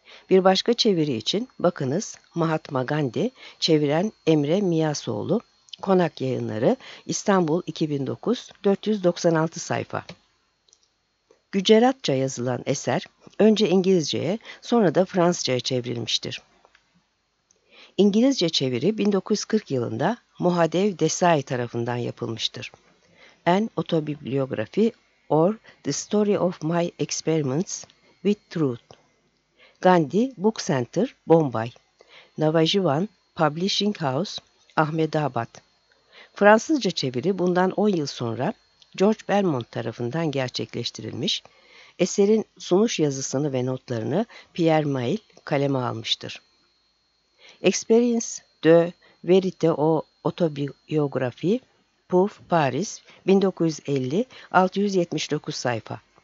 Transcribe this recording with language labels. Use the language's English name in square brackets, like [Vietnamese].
[Turkish] Bir başka çeviri için bakınız Mahatma Gandhi, çeviren Emre Miyasoğlu, Konak Yayınları, İstanbul 2009, 496 sayfa. Güceratça yazılan eser önce İngilizce'ye sonra da Fransızca'ya çevrilmiştir. İngilizce çeviri 1940 yılında Mohadev Desai tarafından yapılmıştır. [English] An Autobiography or The Story of My Experiments with Truth. Gandhi Book Center, Bombay. Navajivan Publishing House, Ahmedabad. [Turkish] Fransızca çeviri bundan 10 yıl sonra George Belmont tarafından gerçekleştirilmiş. Eserin sunuş yazısını ve notlarını Pierre Mail kaleme almıştır. [French] Experience de Vérité ou Autobiographie, Pouf, Paris, 1950, 679 sayfa.